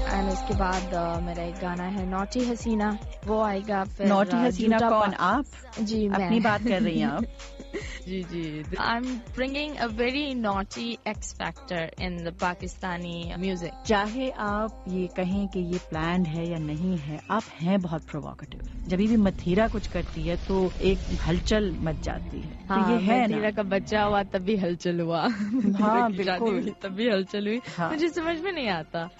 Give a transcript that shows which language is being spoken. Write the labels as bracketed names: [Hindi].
[Urdu] اس کے بعد میرا ایک گانا ہے نوٹی حسینہ، وہ آئے گا. نوٹی حسینہ کون؟ آپ؟ جی میں اپنی بات کر رہی ہیں آپ؟ جی جی، [English] I am bringing a very naughty X factor in the Pakistani music. [Urdu] چاہے آپ یہ کہیں کہ یہ پلانڈ ہے یا نہیں ہے، آپ ہیں بہت پرووکیٹیو. جب بھی متھیرا کچھ کرتی ہے تو ایک ہلچل مچ جاتی ہے. ہاں، یہ ہے متھیرا کا بچہ ہوا تب بھی ہلچل ہوا. ہاں بالکل، تب بھی ہلچل ہوئی، مجھے سمجھ میں نہیں آتا.